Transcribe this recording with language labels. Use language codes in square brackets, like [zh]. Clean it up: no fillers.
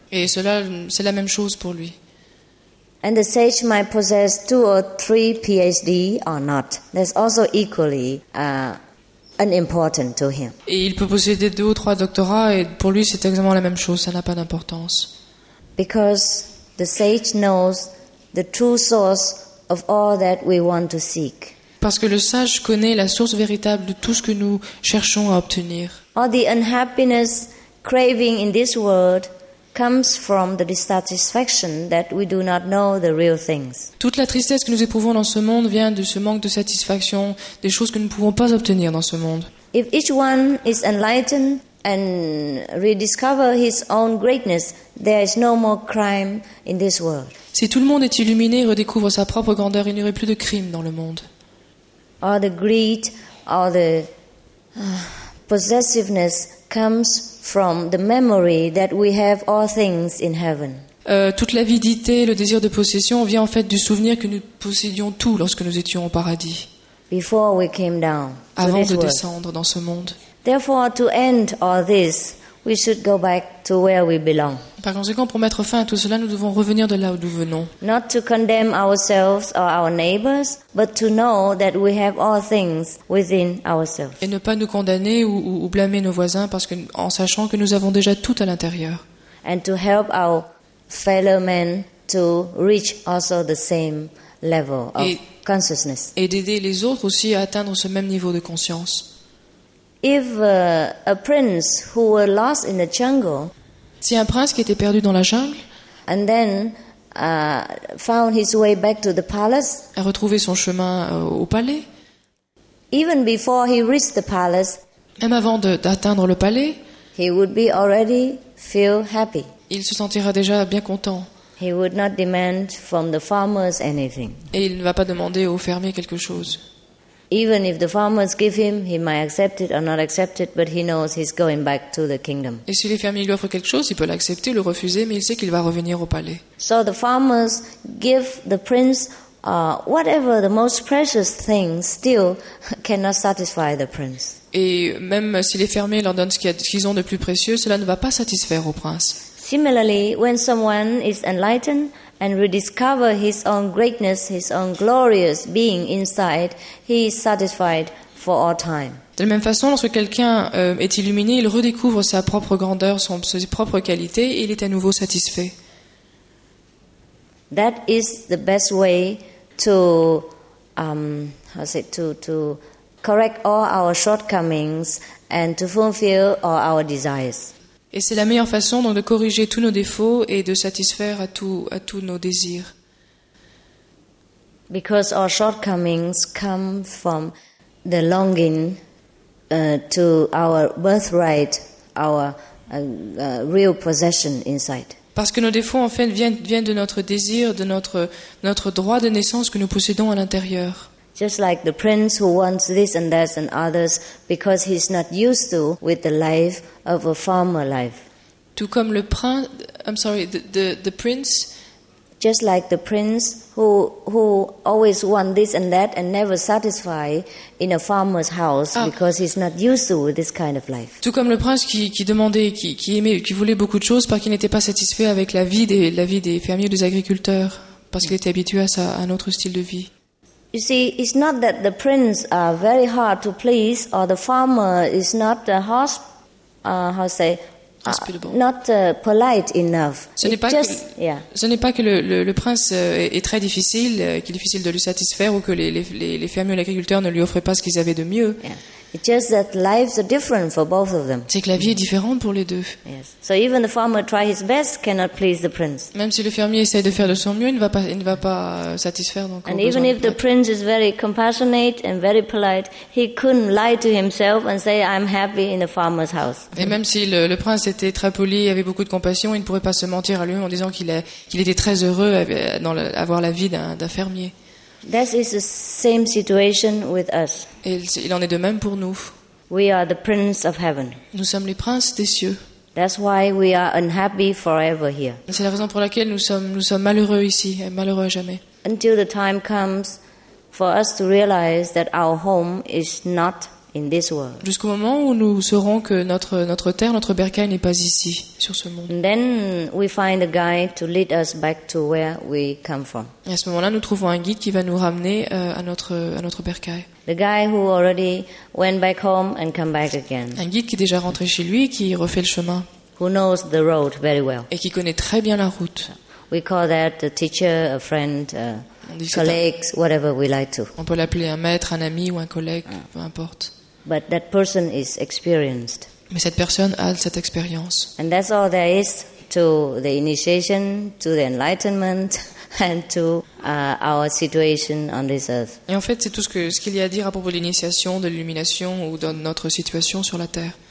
[fr] Et cela, c'est la même chose pour lui. [en] And the sage might possess 2 or 3 PhD or not. That's also equally unimportant to him. [fr] Et il peut posséder 2 ou 3 doctorats et pour lui c'est exactement la même chose, ça n'a pas d'importance. [en] because the sage knows the true source of all that we want to seek. [fr] Parce que le sage connaît la source véritable de tout ce que nous cherchons à obtenir. [en] All the unhappiness craving in this world comes from the dissatisfaction that we do not know the real things. [fr] Toute la tristesse que nous éprouvons dans ce monde vient de ce manque de satisfaction des choses que nous ne pouvons pas obtenir dans ce monde. [en] If each one is enlightened and rediscover his own greatness, there is no more crime in this world. [fr] Si tout le monde est illuminé et redécouvre sa propre grandeur, il n'y aurait plus de crime dans le monde. [en] All the greed, all the possessiveness comes from the memory that we have all things in heaven. [fr] Toute l'avidité, le désir de possession vient en fait du souvenir que nous possédions tout lorsque nous étions au paradis. [en] Before we came down. [fr] Avant de descendre dans ce monde. [en] Therefore, to end all this, we should go back to where we belong. [fr] Par conséquent, pour mettre fin à tout cela, nous devons revenir de là où nous venons. [en] Not to condemn ourselves or our neighbors, but to know that we have all things within ourselves. [fr] Et ne pas nous condamner ou blâmer nos voisins parce que, en sachant que nous avons déjà tout à l'intérieur. [en] And to help our fellow men to reach also the same level of consciousness. [fr] Et d'aider les autres aussi à atteindre ce même niveau de conscience. [en] If a prince who was lost in the jungle, [fr] si un prince qui était perdu dans la jungle, [en] and then found his way back to the palace, [fr] a retrouvé son chemin au palais, [en] even before he reached the palace, [fr] même avant d'atteindre le palais, [en] he would be already feel happy. [fr] Il se sentira déjà bien content. [en] He would not demand from the farmers anything. [fr] Et il ne va pas demander aux fermiers quelque chose. [en] Even if the farmers give him, he might accept it or not accept it, but he knows he's going back to the kingdom. [fr] Et si les fermiers lui offrent quelque chose, il peut l'accepter, le refuser, mais il sait qu'il va revenir au palais. [en] So the farmers give the prince whatever the most precious thing still cannot satisfy the prince. [fr] Et même si les fermiers leur donnent ce qu'ils ont de plus précieux, cela ne va pas satisfaire au prince. [en] Similarly, when someone is enlightened and rediscover his own greatness, his own glorious being inside, he is satisfied for all time. [fr] De la même façon, lorsque quelqu'un est illuminé, il redécouvre sa propre grandeur, ses propres qualités, et il est à nouveau satisfait. [en] That is the best way to, to correct all our shortcomings and to fulfill all our desires. [fr] Et c'est la meilleure façon donc de corriger tous nos défauts et de satisfaire à tous nos désirs. [en] Because our shortcomings come from the longing to our birthright, our real possession inside. [fr] Parce que nos défauts en fait viennent de notre désir, de notre droit de naissance que nous possédons à l'intérieur. [en] Just like the prince who wants this and that and others because he's not used to with the life of a former life. [fr] Tout comme le prince, [en] the prince. Just like the prince who always wants this and that and never satisfy in a farmer's house because he's not used to with this kind of life. [fr] Tout comme le prince qui demandait, qui aimait, qui voulait beaucoup de choses parce qu'il n'était pas satisfait avec la vie des fermiers, des agriculteurs, parce qu'il était habitué à un autre style de vie. [en] You see, it's not that the prince are very hard to please, or the farmer is not polite enough. [fr] Ce n'est pas que le prince est très difficile, qu'il est difficile de le satisfaire, ou que les fermiers ou l'agriculteur ne lui offraient pas ce qu'ils avaient de mieux. [en] Yeah. It's just that lives are different for both of them. [fr] C'est que la vie est différente pour les deux. [en] Yes. So even the farmer try his best cannot please the prince. [fr] Même si le fermier essaie de faire de son mieux, il ne va pas satisfaire donc. [en] And even if the prince is very compassionate and very polite, he couldn't lie to himself and say I'm happy in the farmer's house. [fr] Et même si le prince était très poli, avait beaucoup de compassion, il ne pourrait pas se mentir à lui-même en disant qu'il était très heureux d'avoir la vie d'un fermier. [en] That is the same situation with us. [fr] Et il en est de même pour nous. [en] We are the prince of heaven. [fr] Nous sommes les princes des cieux. [en] That's why we are unhappy forever here. [fr] C'est la raison pour laquelle nous sommes malheureux ici, malheureux à jamais. [en] Until the time comes for us to realize that our home is not in this world. [fr] Jusqu'au moment où nous saurons que notre terre, notre bercail n'est pas ici, sur ce monde. [en] And then we find a guide to lead us back to where we come from. [fr] Et à ce moment-là, nous trouvons un guide qui va nous ramener à notre bercail. [en] The guy who already went back home and come back again. [fr] Un guide qui est déjà rentré chez lui et qui refait le chemin. [en] who knows the road very well. [fr] Et qui connaît très bien la route. [en] We call that a teacher, a friend, colleagues, whatever we like to. [fr] On peut l'appeler un maître, un ami ou un collègue, peu importe. [en] But that person is experienced. [fr] Mais cette personne a cette expérience. [en] And that's all there is to the initiation, to the enlightenment, and to our situation on this earth. [fr] Et en fait, c'est tout ce qu'il y a à dire à propos de l'initiation, de l'illumination ou de notre situation sur la terre.